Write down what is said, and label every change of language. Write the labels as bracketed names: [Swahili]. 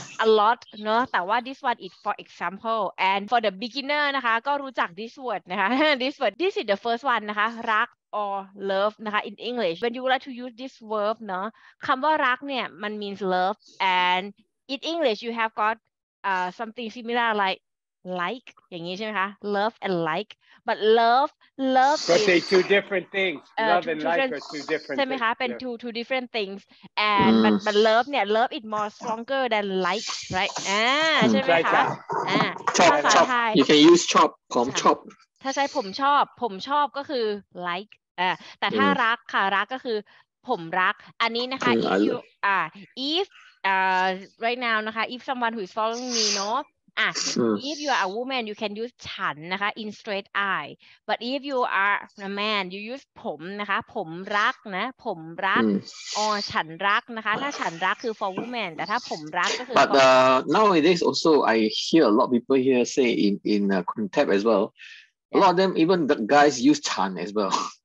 [English] a lot เนาะแต่ว่า this one is for example and for the beginner นะคะก็รู้จัก this word นะคะ this word this is the first one นะคะรักor love นะคะ in English when you like to use this verb เนาะ [Thai] คำว่ารักเนี่ย [English] มัน means love and in English you have got something similar like [Thai] อย่างงี้ใช่ไหมคะ [English] love and like but love but they two different things love and like are two different things [Thai] ใช่ไหมคะเป็น [English] two different things and but love เนี่ย love is more stronger than like right ใช่ไหมคะ ชอบ you can use chop ผมชอบ [Thai] ถ้าใช้ผมชอบก็คือ [English] like [Thai] แต่ถ้ารักค่ะรักก็คือผมรักอันนี้นะคะ [English] if right now นะคะ if someone who is following me เนาะ if you are a woman you can use ฉันนะคะ in straight eye but if you are a man you use [Thai] ผมนะคะผมรักนะผมรักอ๋อฉันรักนะคะถ้าฉันรักคือ [English] for woman [Thai] แต่ถ้าผมรักก็คือ [English] but nowadays also I hear a lot of people here say in contact as well a lot of them even the guys use ฉัน as well